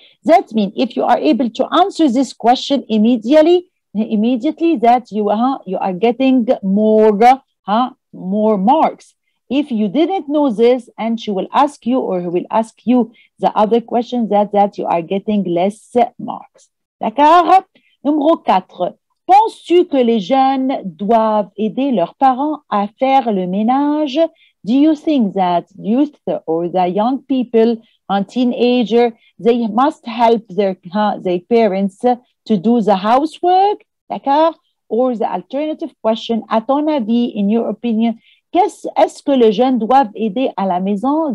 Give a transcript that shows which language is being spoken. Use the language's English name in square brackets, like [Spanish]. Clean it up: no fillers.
[English] That means if you are able to answer this question immediately, that you are getting more marks. If you didn't know this and she will ask you or he will ask you the other question, that you are getting less marks. [French] D'accord? Numéro 4. Penses-tu que les jeunes doivent aider leurs parents à faire le ménage? [English] Do you think that youth or the young people and teenager, they must help their parents to do the housework? D'accord? Or the alternative question, [French] à ton avis, [English] in your opinion, [French] est-ce que les jeunes doivent aider à la maison?